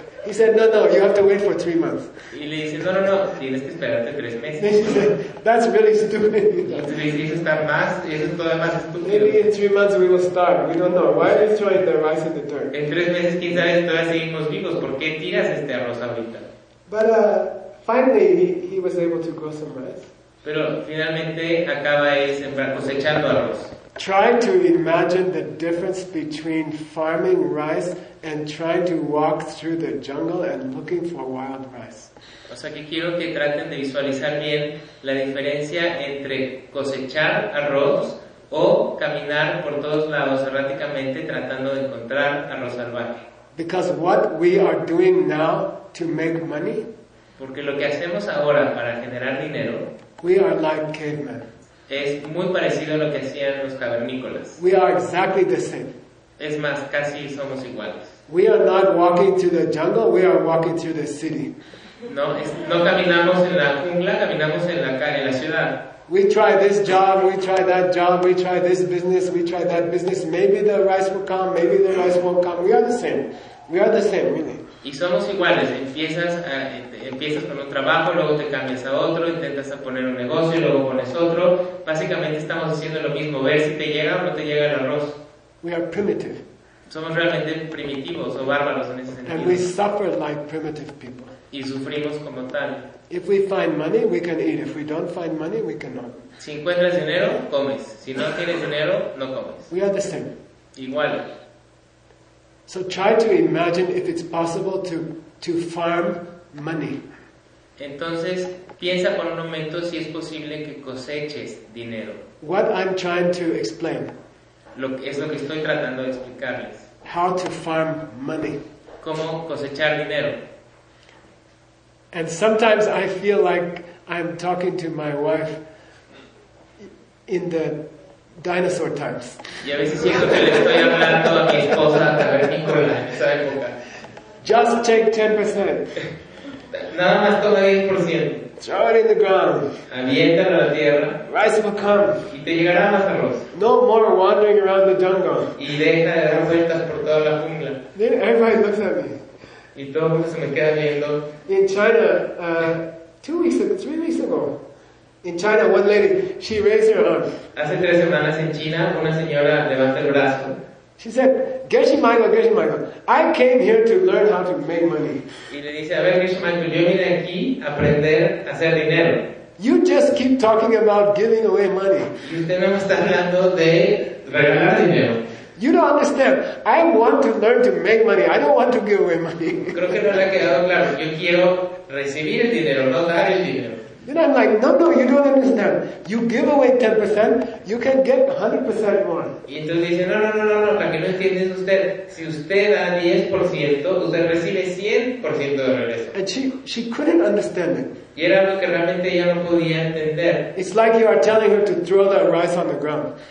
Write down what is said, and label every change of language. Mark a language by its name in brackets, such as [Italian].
[English] He said, no, you have to wait for 3 months. [Spanish] Y le dice, no, tienes que esperarte 3 meses. [English] Then she said, that's really stupid. [Spanish] Y le dice, eso es todavía más estúpido. [English] Maybe in 3 months we will start. We don't know. Why are you throwing the rice in the dirt? [Spanish] En 3 meses, quién sabe, todavía seguimos vivos. ¿Por qué tiras este arroz ahorita? [English] But finally, he was able to grow some rice. [Spanish] Pero finalmente acaba cosechando arroz. [English] Try to imagine the difference between farming rice and trying to walk through the jungle and looking for wild rice. [Spanish] O sea, que quiero que traten de visualizar bien la diferencia entre cosechar arroz o caminar por todos lados erráticamente tratando de encontrar arroz salvaje. [English] Because what we are doing now to make money, [Spanish] porque lo que hacemos ahora para generar dinero, [English] we are like cavemen. [Spanish] Es muy parecido a lo que hacían los cavernícolas. [English] We are exactly the same. [Spanish] Es más, casi somos iguales. [English] We are not walking through the jungle, we are walking through the city. [Spanish] No caminamos en la jungla, caminamos en la ciudad. [English] We try this job, we try that job, we try this business, we try that business. Maybe the rice will come, maybe the rice won't come. We are the same. We are the same, really. [Spanish] Y somos iguales. Empiezas con un trabajo, luego te cambias a otro, intentas a poner un negocio, luego pones otro. Básicamente estamos haciendo lo mismo, ver si te llega o no te llega el arroz. [English] We are primitive. [Spanish] Somos realmente primitivos o bárbaros en ese sentido. [English] And we suffer like primitive people. [Spanish] Y sufrimos como tal. [English] If we find money, we can eat. If we don't find money, we cannot. [Spanish] Si encuentras dinero, comes. Si no tienes dinero, no comes. [English] We are the same. [Spanish] Igual. [English] So try to imagine if it's possible to farm money. [Spanish] Entonces, piensa por un momento si es posible que coseches dinero. [English] What I'm trying to explain. [Spanish] Lo que estoy tratando de explicarles. [English] How to farm money. [Spanish] Cómo cosechar dinero. [English] And sometimes I feel like I'm talking to my wife in the dinosaur times. [Spanish] Y a veces siento que le estoy hablando a mi esposa a cavernícola en esa época. [English] Just take 10%. [Spanish] Nada más toma 10%. [English] Throw it in the ground. [Spanish] Aviéntalo a la tierra. [English] Rice will come. [Spanish] Y te llegará más arroz. [English] No more wandering around the jungle. [Spanish] Y deja de dar vueltas por toda la jungla. [English] Then everybody looks at me. [Spanish] Y todo el mundo se me queda viendo. [English] In China, 3 weeks ago. In China, one lady, she raised her arm. [Spanish] Hace 3 semanas en China, una señora levanta el brazo. [English] She said, Geshe Michael, I came here to learn how to make money. [Spanish] Y le dice, a ver, Geshe Michael, yo vine aquí a aprender a hacer dinero. [English] You just keep talking about giving away money. [Spanish] Y usted no me está hablando de regalar dinero. [English] You don't understand. I want to learn to make money. I don't want to give away money. [Spanish] Creo que no le ha quedado claro. Yo quiero recibir el dinero, no dar el dinero. [English] Then I'm like, no, you don't understand. You give away 10%, you can get 100% more. [Spanish] Y entonces dice, no, para que no entiendes usted. Si usted da 10%, usted recibe 100% de regreso. [English] And she couldn't understand it. [Spanish] Y era algo que realmente ella no podía entender. [English] It's like you are telling her to throw the rice on the ground.